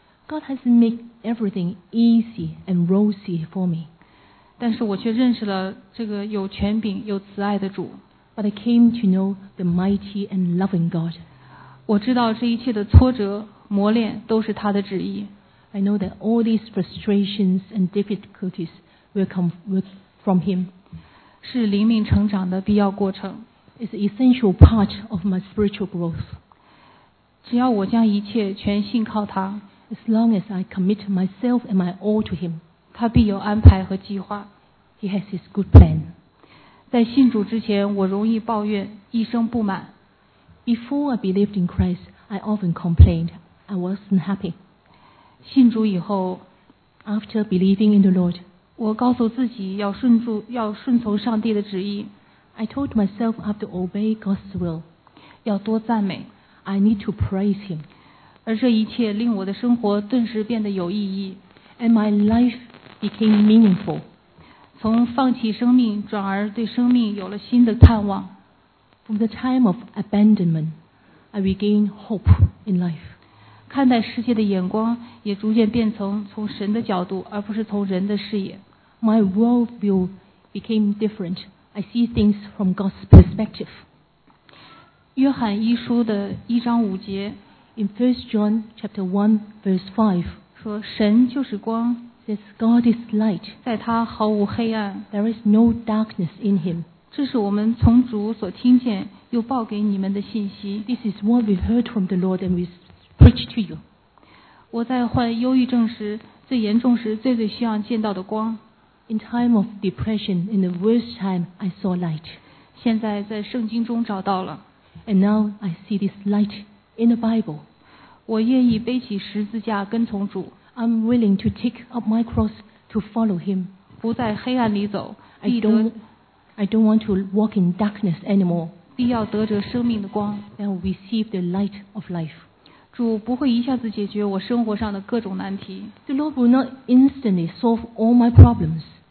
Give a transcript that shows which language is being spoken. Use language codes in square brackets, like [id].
[en] ，God has made everything easy and rosy for me. [zh] 但是我却认识了这个有权柄、有慈爱的主 [en] ，But I came to know the mighty and loving God. [zh] 我知道这一切的挫折、磨练都是他的旨意 [en] ，I know that all these frustrations and difficulties will come from Him. [zh] 是灵命成长的必要过程 [en] It's an essential part of my spiritual growth [zh] 只要我将一切全信靠他 [en] As long as I commit myself and my all to him [zh] 他必有安排和计划 [en] He has his good plan [zh] 在信主之前我容易抱怨一生不满 [en] Before I believed in Christ I often complained I wasn't happy [zh] 信主以后 [en] After believing in the Lord [zh] 我告诉自己要顺从上帝的旨意 [en] I told myself I have to obey God's will [zh] 要多赞美 [en] I need to praise him [zh] 而这一切令我的生活顿时变得有意义 [en] And my life became meaningful [zh] 从放弃生命转而对生命有了新的盼望 [en] From the time of abandonment I regained hope in life [zh] 看待世界的眼光也逐渐变成从神的角度而不是从人的视野 [en] My worldview became different I see things from God's perspective [zh] 约翰一书的一章五节 [en] In 1 John chapter 1 verse 5 [zh] 说神就是光 [en] says God is light [zh] 在他毫无黑暗 [en] There is no darkness in him [zh] 这是我们从主所听见又报给你们的信息 [en] This is what we heard from the Lord and we Preach to you. [zh] 我在患忧郁症时，最严重时，最最希望见到的光。 [en] In time of depression, in the worst time, I saw light. [zh] 现在在圣经中找到了。 [en] And now I see this light in the Bible. [zh] 我愿意背起十字架跟从主。 [en] I'm willing to take up my cross to follow Him. [zh] 不在黑暗里走。 [en] I don't want to walk in darkness anymore. [zh] 必要得着生命的光。 [en] And receive the light of life. [zh] 主不会一下子解决我生活上的各种难题 [en] The Lord will not instantly solve all my problems